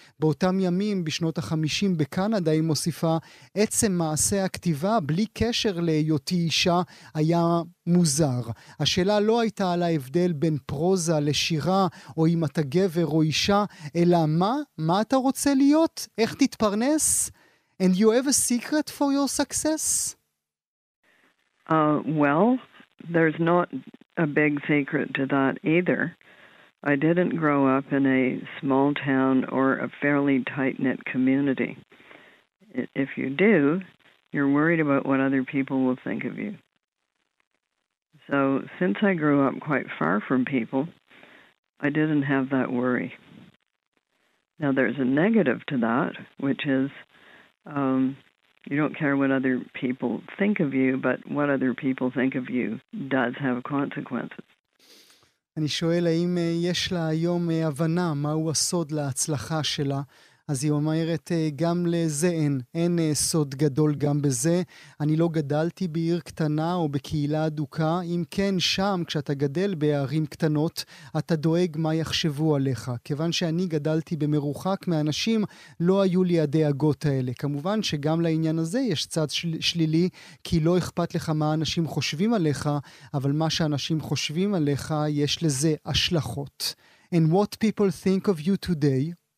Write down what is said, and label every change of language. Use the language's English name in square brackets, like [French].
[Hebrew] באותם ימים, בשנות ה-50 בקנדה, היא מוסיפה, עצם מעשה הכתיבה, בלי קשר להיותי אישה, היה מוזר. השאלה לא הייתה על ההבדל בין פרוזה לשירה, או אם אתה גבר או אישה, אלא מה? מה אתה רוצה להיות? איך תתפרנס? [English] And you have a secret for your success? Well, there's not a big secret to that either. I didn't grow up in a small town or a fairly tight-knit community. If you do, you're worried about what other people will think of you. So since I grew up quite far from people, I didn't have that worry. Now there's a negative to that, which is you don't care what other people think of you, but what other people think of you does have consequences. [Hebrew] אני שואל האם יש לה היום הבנה מהו הסוד להצלחה שלה. אז היא אומרת, גם לזה אין סוד גדול גם בזה. אני לא גדלתי בעיר קטנה או בקהילה אדוקה. אם כן, שם, כשאתה גדל בערים קטנות, אתה דואג מה יחשבו עליך. כיוון שאני גדלתי במרוחק מאנשים, לא היו לי הדאגות האלה. כמובן שגם לעניין הזה יש צד שלילי, כי לא אכפת לך מה אנשים חושבים עליך, אבל מה שאנשים חושבים עליך, יש לזה השלכות. [English] And what people think of you today?